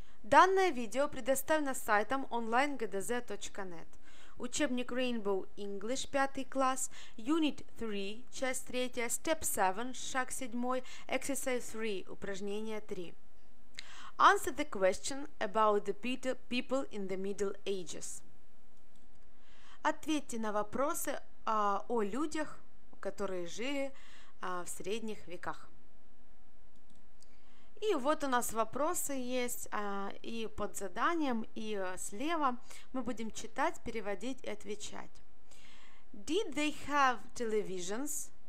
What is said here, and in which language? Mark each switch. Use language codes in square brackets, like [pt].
[ru] Данное видео предоставлено сайтом onlinegdz.net. Учебник Rainbow English, 5 класс, Unit 3, часть 3, Step 7, шаг 7, Exercise 3, упражнение 3. [en] Answer the question about the people in the Middle Ages. [ru] Ответьте на вопросы о людях, которые жили в средних веках. И вот у нас вопросы есть и под заданием, и слева. Мы будем читать, переводить и отвечать. [en] Did they have televisions?